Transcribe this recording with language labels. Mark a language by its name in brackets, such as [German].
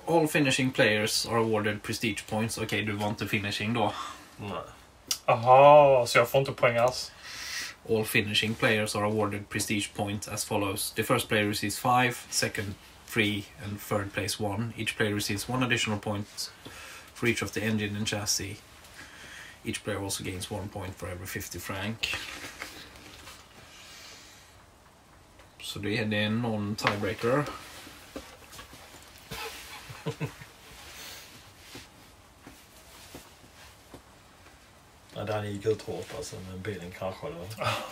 [English] All finishing players are awarded prestige points. [Swedish] Okej, du var inte finishing då. Nej. Aha, så jag får inte poäng alls. [English] All finishing players are awarded prestige points as follows. The first player receives 5, second 3 and third place 1. Each player receives 1 additional point. For each of the engine and chassis. Each player also gains 1 point for every 50 franc. [Swedish] Så det är en non tiebreaker. Ja, den gick ut hårt alltså, men bilen kraschade. Ja.